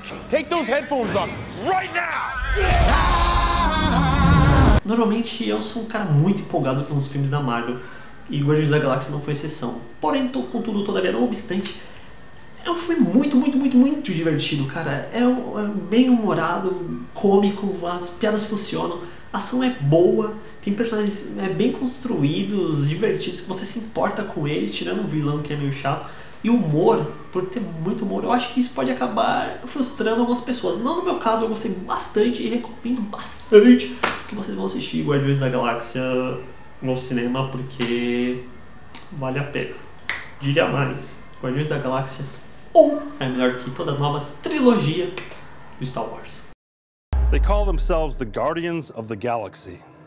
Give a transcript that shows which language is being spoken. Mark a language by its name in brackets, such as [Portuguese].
[English] Take those headphones off right now! [Portuguese] Normalmente eu sou um cara muito empolgado com os filmes da Marvel, e Guardiões da Galáxia não foi exceção. Porém, contudo, todavia, não obstante, é um filme muito, muito, muito, muito divertido, cara. É bem humorado, cômico, as piadas funcionam, a ação é boa, tem personagens bem construídos, divertidos, que você se importa com eles, tirando o vilão que é meio chato. E humor, por ter muito humor, eu acho que isso pode acabar frustrando algumas pessoas. Não, no meu caso, eu gostei bastante e recomendo bastante que vocês vão assistir Guardiões da Galáxia no cinema, porque vale a pena. Diria mais, Guardiões da Galáxia ou é melhor que toda a nova trilogia do Star Wars. [English] They call themselves the Guardians of the Galaxy.